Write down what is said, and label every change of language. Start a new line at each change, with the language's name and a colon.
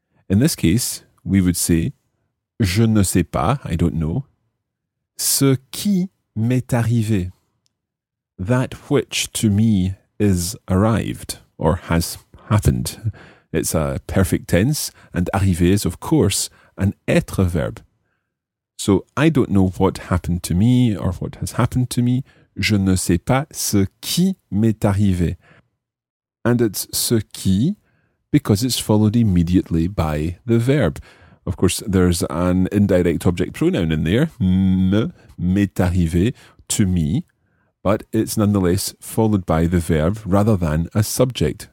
English: In this case, we would say,
French: je ne sais pas,
English: I don't know,
French: ce qui m'est arrivé,
English: that which to me is arrived or has happened. It's a perfect tense, and arriver is, of course, an être verb. So, I don't know what happened to me or what has happened to me.
French: Je ne sais pas ce qui m'est arrivé.
English: And it's ce qui because it's followed immediately by the verb. Of course, there's an indirect object pronoun in there. Me,
French: m'est arrivé,
English: to me. But it's nonetheless followed by the verb rather than a subject.